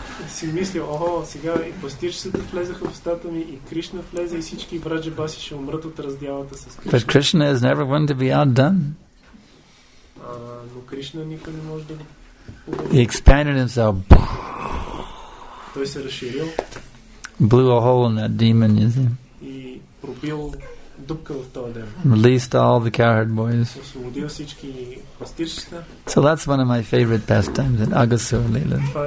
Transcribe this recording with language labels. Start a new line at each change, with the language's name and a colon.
Bulgarian: Си мисля, о, сега и пастирчетата влезаха в устата ми, и Кришна влезе, и всички враджабаси ще умрат от раздялата с Кришна.
English: But Krishna is never going to be outdone.
Bulgarian: Но Кришна никога не може да го...
English: He expanded himself.
Bulgarian: Той се разширил.
English: Blew a hole in that demon, you see.
Bulgarian: И пробил дупка в този демон.
English: Released all the cowherd boys.
Bulgarian: Освободил всички пастирчета.
English: So that's one of my favorite pastimes in Agasura Leela.